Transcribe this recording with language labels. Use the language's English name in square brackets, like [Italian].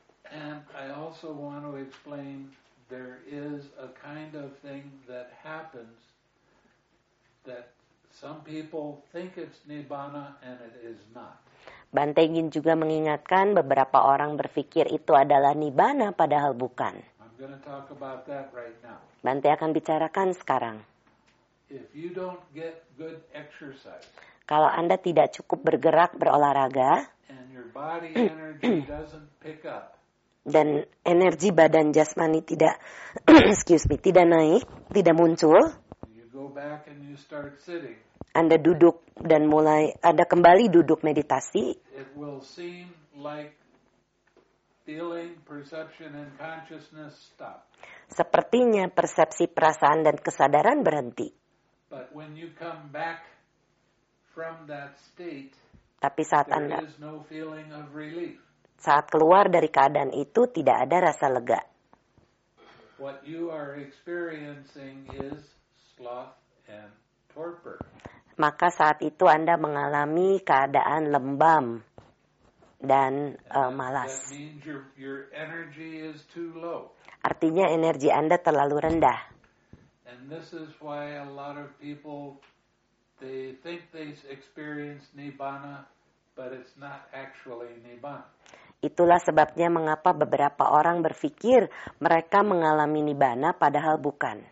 [English] And I also want to explain there is a kind of thing that happens that Some people think it's nibbana and it is not. [Indonesian] Bante ingin juga mengingatkan beberapa orang berpikir itu adalah nibbana padahal bukan. [English] I'm going to talk about that right now. [Indonesian] Bante akan bicarakan sekarang. [English] If you don't get good exercise, [Indonesian] kalau Anda tidak cukup bergerak berolahraga, [English] and your body energy doesn't pick up, [Indonesian] dan energi badan jasmani tidak tidak naik, tidak muncul. [English] You go back and you start sitting. [Indonesian] Anda duduk dan mulai ada kembali duduk meditasi. [English] It will seem like feeling, perception and consciousness stop. [Indonesian] Sepertinya persepsi, perasaan dan kesadaran berhenti. [English] But when you come back from that state, [Indonesian] tapi saat Anda [English] there is no feeling of relief. [Indonesian] Saat keluar dari keadaan itu tidak ada rasa lega. [English] What you are experiencing is sloth and torpor. [Indonesian] Maka saat itu Anda mengalami keadaan lembam dan malas. [English] That means your energy is too low. [Indonesian] Artinya energi Anda terlalu rendah. [English] And this is why a lot of people they think they experience nibbana, but it's not actually nibbana. [Indonesian] Itulah sebabnya mengapa beberapa orang berpikir mereka mengalami nibbana padahal bukan.